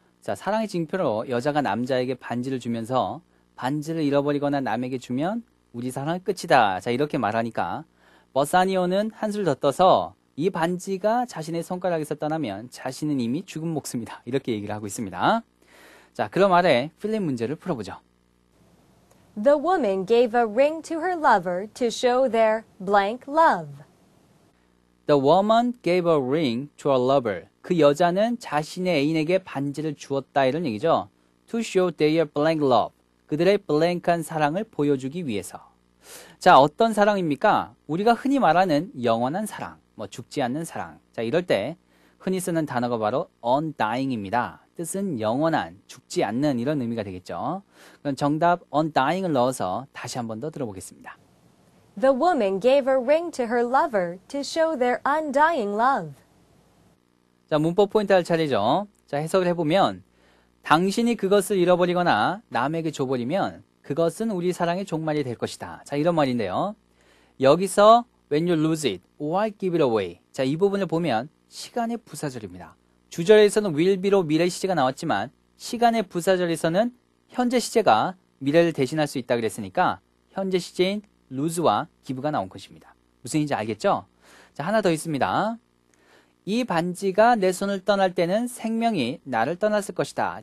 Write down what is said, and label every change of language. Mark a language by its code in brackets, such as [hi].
[ko] 자, 사랑의 징표로 여자가 남자에게 반지를 주면서 반지를 잃어버리거나 남에게 주면 우리 사랑은 끝이다. 자, 이렇게 말하니까 버사니오는 한술 더 떠서 이 반지가 자신의 손가락에서 떠나면 자신은 이미 죽은 목숨이다. 이렇게 얘기를 하고 있습니다. 자, 그럼 아래 필립 문제를 풀어보죠. [en] The woman gave a ring to her lover to show their blank love. The woman gave a ring to her lover. [ko] 그 여자는 자신의 애인에게 반지를 주었다. 이런 얘기죠. [en] To show their blank love. [ko] 그들의 blank한 사랑을 보여주기 위해서. 자, 어떤 사랑입니까? 우리가 흔히 말하는 영원한 사랑. 뭐 죽지 않는 사랑. 자, 이럴 때 흔히 쓰는 단어가 바로 undying입니다. 뜻은 영원한, 죽지 않는 이런 의미가 되겠죠. 그럼 정답 undying을 넣어서 다시 한 번 더 들어보겠습니다. [en] The woman gave a ring to her lover to show their undying love. [ko] 자, 문법 포인트 할 차례죠. 자, 해석을 해보면 당신이 그것을 잃어버리거나 남에게 줘버리면 그것은 우리 사랑의 종말이 될 것이다. 자, 이런 말인데요. 여기서 [en] When you lose it, why give it away? [ko] 자, 이 부분을 보면 시간의 부사절입니다. 주절에서는 will be로 미래 시제가 나왔지만 시간의 부사절에서는 현재 시제가 미래를 대신할 수 있다 그랬으니까 현재 시제인 lose와 give가 나온 것입니다. 무슨 얘기인지 알겠죠? 자, 하나 더 있습니다. 이 반지가 내 손을 떠날 때는 생명이 나를 떠났을 것이다.